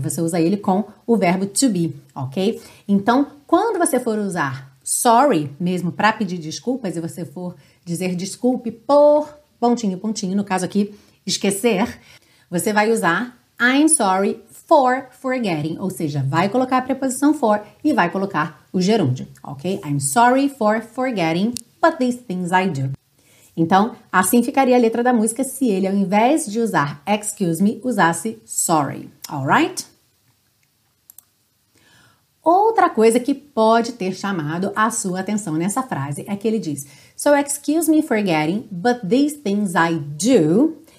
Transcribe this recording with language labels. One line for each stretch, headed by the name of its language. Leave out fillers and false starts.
Portuguese: Você usa ele com o verbo to be, ok? Então, quando você for usar sorry mesmo para pedir desculpas e você for dizer desculpe por pontinho, pontinho, no caso aqui, esquecer, você vai usar
English: I'm sorry for forgetting,
Portuguese: ou seja, vai colocar a preposição for e vai colocar o gerúndio, ok?
English: I'm sorry for forgetting, but these things I do.
Portuguese: Então, assim ficaria a letra da música se ele, ao invés de usar excuse me, usasse sorry, alright? Outra coisa que pode ter chamado a sua atenção nessa frase é que ele diz
English: so excuse me for getting, but these things I do.